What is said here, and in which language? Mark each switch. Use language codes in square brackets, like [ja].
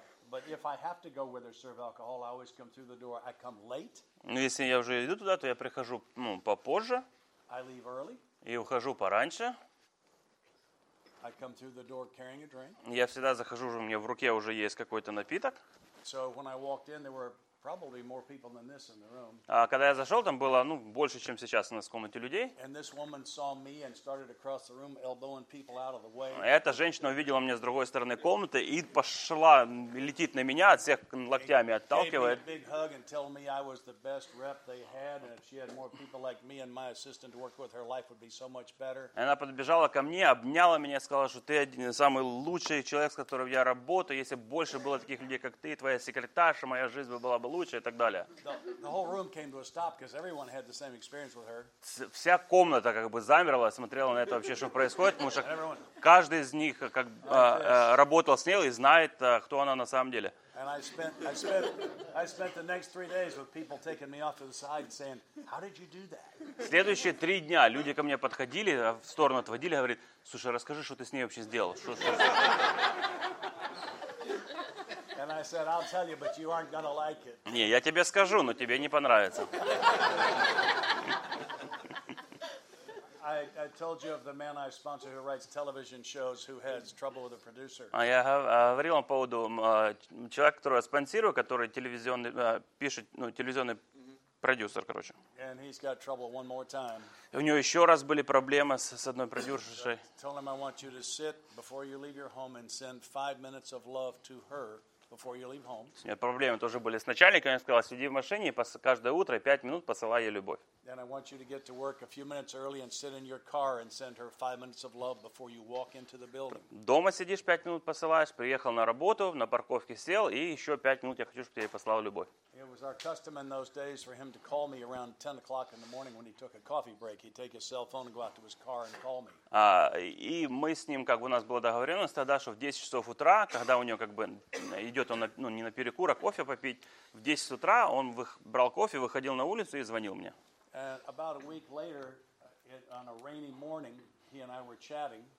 [en] But if I have to go where they serve alcohol, I always come through the door. I come late. [ru] Ну если я уже иду туда, то я прихожу попозже. [en] I leave early. [ru] И ухожу пораньше. [en] I come through the door carrying a drink. [ru] Я всегда захожу, у меня в руке уже есть какой-то напиток. [en] So when I walked in, there were probably more people than this in the room. [ru] А когда я зашел, там было больше, чем сейчас у нас в комнате людей. [en] And this woman saw me and started across the room, elbowing people out of the way. [ru] Эта женщина увидела меня с другой стороны комнаты и пошла, летит на меня, от всех локтями отталкивает. [en] Gave me a big hug and told me I was the best rep they had, and if she had more people like me and my assistant to work with, her life would be so much better. [ru] Она подбежала ко мне, обняла меня, сказала, что ты один самый лучший человек, с которым я работаю. Если больше было таких людей, как ты, твоя секретарша, моя жизнь бы была лучше и так далее. [en] The whole room came to a stop because everyone had the same experience with her. [ru] Вся комната замерла, смотрела на это вообще, что происходит, потому что каждый из них работал с ней и знает, кто она на самом деле. [en] And I spent the next 3 days with people taking me off to the side and saying, how did you do that? [ru] Следующие 3 дня люди ко мне подходили, в сторону отводили, говорит: "Слушай, расскажи, что ты с ней вообще сделал?" [en] And I said, I'll tell you, but you aren't gonna like it. [ru] Не, я тебе скажу, но тебе не понравится. [en] I told you of the man I sponsor who writes television shows who has trouble with a producer. [ru] А я говорил вам по поводу человека, которого я спонсирую, который пишет телевизионный продюсер, короче. [en] And he's got trouble one more time. [ru] У него еще раз были проблемы с одной продюсершей. [en] Tell him I want you to sit before you leave your home and send 5 minutes of love to her. before you leave home. [ru] У меня проблемы тоже были с начальником. Я сказал, сиди в машине, каждое утро 5 минут посылай ей любовь. [en] And I want you to get to work a few minutes early and sit in your car and send her 5 minutes of love before you walk into the building. [ru] Дома сидишь 5 минут посылаешь, приехал на работу, на парковке сел и еще 5 минут я хочу, чтобы ты ей послал любовь. [en] It was our custom in those days for him to call me around 10 o'clock in the morning when he took a coffee break. He'd take his cell phone and go out to his car and call me. [ru] И мы с ним, как бы у нас была договоренность тогда, что в 10 часов утра, когда у него как бы идет он на, ну, не на перекур, а кофе попить, в 10 утра он брал кофе, выходил на улицу и звонил мне. [en] About a week later, on a rainy morning, he and I were chatting.